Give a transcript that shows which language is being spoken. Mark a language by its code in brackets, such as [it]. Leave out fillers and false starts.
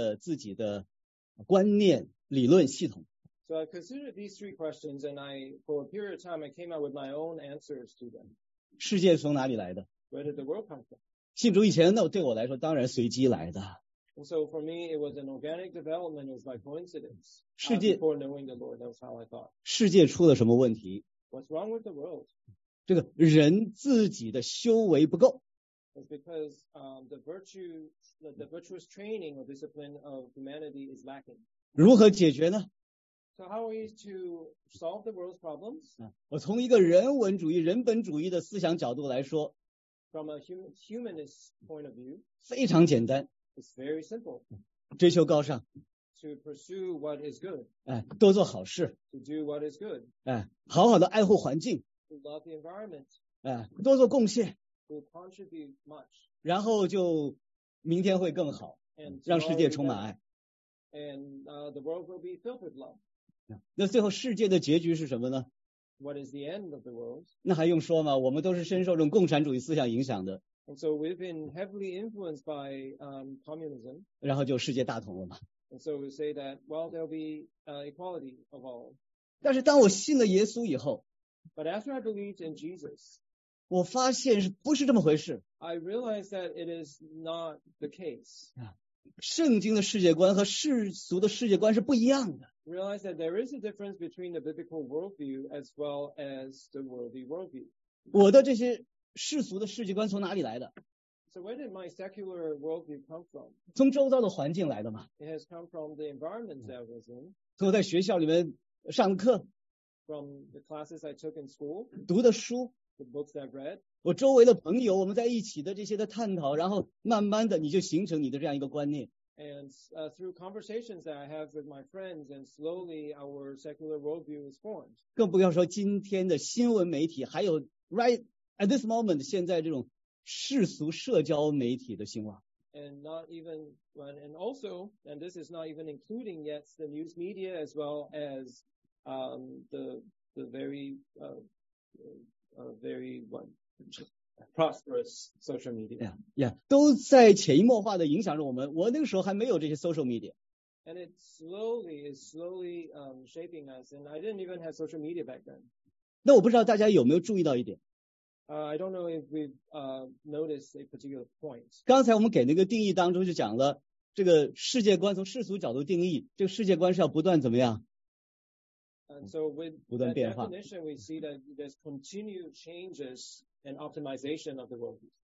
[zh] 其实就对这几个问题，不管是从世界观的角度，从人生观的角度，曾经我是有思考，也觉得自己有一套的自己的观念、理论系统。 [en] So I considered these three questions, and I, for a period of time, I came out with my own answers to them. [zh] 世界从哪里来的？ [en] Where did the world come from? [zh] 信主以前，那对我来说当然随机来的。 [en] And so for me, it was an organic development. It was by coincidence. [zh] 世界, [en] before knowing the Lord, that was how I thought. [zh] 世界出了什么问题? [en] What's wrong with the world? [zh] 这个人自己的修为不够。 [en] It's because the virtuous training or discipline of humanity is lacking. [zh] 如何解决呢? [en] So how are we to solve the world's problems? [zh] 我从一个人文主义、人本主义的思想角度来说, [en] From a humanist point of view, [zh] 非常简单。 [en] It's very simple. [zh] 追求高尚, [en] to pursue what is good. [zh] 哎，多做好事, [en] to do what is good. [zh] 哎，好好的爱护环境, [en] to love the environment. [zh] 哎，多做贡献, [en] to contribute much. [zh] 然后就明天会更好, [en] and [zh] 让世界充满爱, [en] and the world will be filled with love. [zh] 那最后世界的结局是什么呢? [en] What is the end of the world? [zh] 那还用说吗? 我们都是深受这种共产主义思想影响的。 [en] And so we've been heavily influenced by communism. [zh] 然后就世界大同了嘛。 [en] And so we say that, well, there'll be equality of all. [zh] 但是当我信了耶稣以后, [en] But after I believed in Jesus, [zh] 我发现不是这么回事。 [en] I realized that it is not the case. [zh] 圣经的世界观和世俗的世界观是不一样的。 [en] Realize that there is a difference between the biblical worldview as well as the worldly worldview. [zh] 我的这些世俗的世界观从哪里来的? [en] So where did my secular worldview come from? [zh] 从周遭的环境来的嘛。 [en] It has come from the environment that I was in. [zh] 从我在学校里面上课。 [en] From the classes I took in school. [zh] 读的书。 [en] The books that I read. [zh] 我周围的朋友，我们在一起的这些的探讨， 然后慢慢的你就形成你的这样一个观念。 [en] And through conversations that I have with my friends, and slowly our secular worldview is formed. [zh] 更不要说今天的新闻媒体，还有 [en] right at this moment [zh] 现在这种世俗社交媒体的兴旺。 [en] And not even and also and this is not even including yet the news media as well as the very prosperous social media. Yeah, [zh] 都在潜移默化的影响着我们。我那个时候还没有这些 [en] social media. And it slowly is slowly shaping us. And I didn't even have social media back then. [zh] 那我不知道大家有没有注意到一点。 [en] I don't know if we've noticed a particular point. [zh] 刚才我们给那个定义当中就讲了，这个世界观从世俗角度定义，这个世界观是要不断怎么样？ [en] And so with the definition, we see that there's continued changes and optimization of the world.